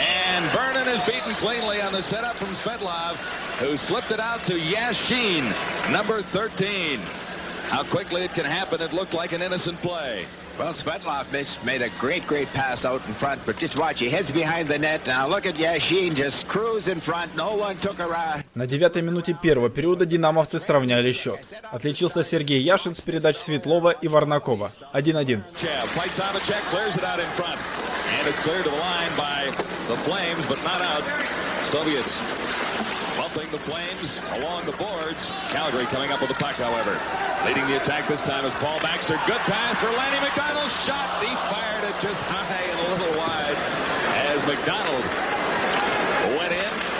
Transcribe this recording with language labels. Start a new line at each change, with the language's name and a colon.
English: And Vernon is beaten cleanly on the setup from Svedlov, who slipped it out to Yashin, number 13. How quickly it can happen, it looked like an innocent play. Well, Svedlov made a great, great pass out in front, but just watch, he heads behind the net. Now look at Yashin, just cruise in front, no one took a ride.
Russian: На 9-й минуте первого периода динамовцы сравняли счет. Отличился Сергей Яшин с передач Светлова и Варнакова. 1-1.
English: Чев fights on a check, clears it out in front. And it's cleared to the line by the Flames, but not out. Soviets bumping the Flames along the boards. Calgary coming up with the puck, however. Leading the attack this time is Paul Baxter. Good pass for Lanny McDonald. Shot. He fired it just high and a little wide as McDonald went in.